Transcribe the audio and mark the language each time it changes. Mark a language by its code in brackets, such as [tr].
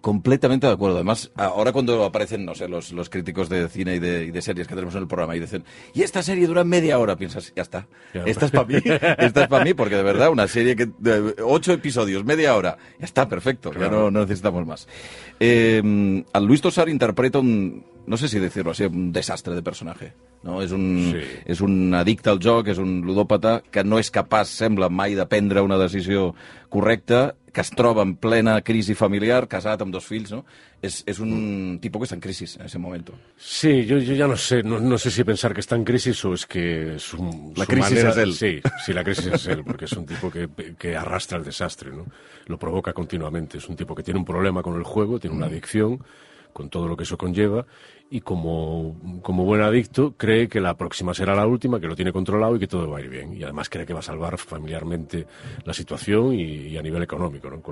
[es] Completamente de acuerdo. Además, ahora cuando aparecen, no sé, los críticos de cine y de series que tenemos en el programa y dicen, ¿y esta serie y dura media hora? Piensas, ya está. Esta es para mí, porque de verdad, una serie que... 8 episodios, media hora, ya está, perfecto, claro. ya no necesitamos más. Al Luis Tosar interpreta un... No sé si decirlo así, un desastre de personaje, ¿no? [ca] Es un adicte al joc, és un ludòpata que no és capaç, sembla, mai de prendre una decisió correcta, que es troba en plena crisi familiar, casat amb 2 fills, ¿no? És un tipo que està en crisi [es] en ese momento. Sí, yo ya no sé si pensar que está en crisis o es que es un... La crisis manera, es él. Sí, la crisis es él, porque es un tipo que arrastra el desastre, ¿no? Lo provoca continuamente. Es un tipo que tiene un problema con el juego, tiene una adicción, con todo lo que eso conlleva, y como buen adicto cree que la próxima será la última, que lo tiene controlado y que todo va a ir bien. Y además cree que va a salvar familiarmente la situación y a nivel económico, ¿no?